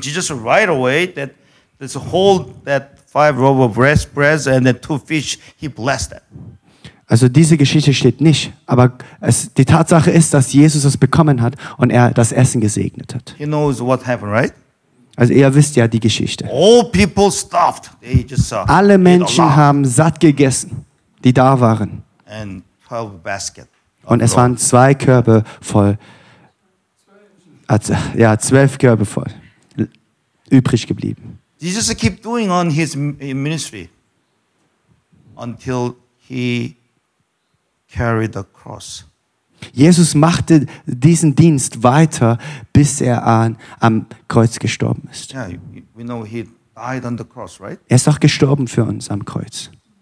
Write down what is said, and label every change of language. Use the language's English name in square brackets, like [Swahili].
[English] Jesus right away that this whole that five loaves of bread and the two fish he blessed it. [German] Also diese Geschichte steht nicht, aber die Tatsache ist, dass Jesus es bekommen hat und er das Essen gesegnet hat. [English] He knows what happened, right? [German] Also ihr wisst ja die Geschichte. [English] All people stuffed. They just [German] alle Menschen haben satt gegessen, die da waren. [English] And 12 baskets. [German] Und es waren zwei Körbe voll, ja, 12 Körbe voll, übrig geblieben. [English] Jesus kept doing on his ministry until he carried the cross. [German] Jesus machte diesen Dienst weiter, bis er am Kreuz gestorben ist. [English] Yeah, we know he died on the cross, right? [German] Er ist auch gestorben für uns am Kreuz.